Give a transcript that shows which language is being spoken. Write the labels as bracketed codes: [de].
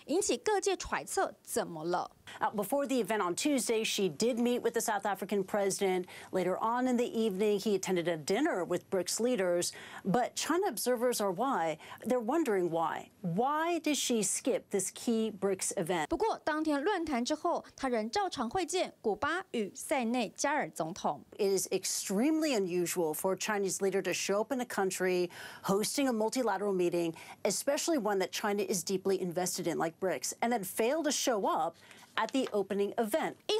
[zh] 反对脱钩断链经济胁迫。除了领导人会谈，23号一场金砖国家的工商论坛，习近平意外缺席了，因此他的演说由商务部长代为宣读，引起各界揣测怎么了。 [en] Before the event on Tuesday, she did meet with the South African president. Later on in the evening, he attended a dinner with BRICS leaders. But China observers are why? They're wondering why. Why did she skip this key BRICS event? [zh] 不过当天论坛之后， 他仍照常会见古巴与塞内加尔总统。 [en] It is extremely unusual for a Chinese leader to show up in a country hosting a multilateral meeting, especially one that China is deeply invested in, like BRICS, and then fail to show up at the opening event.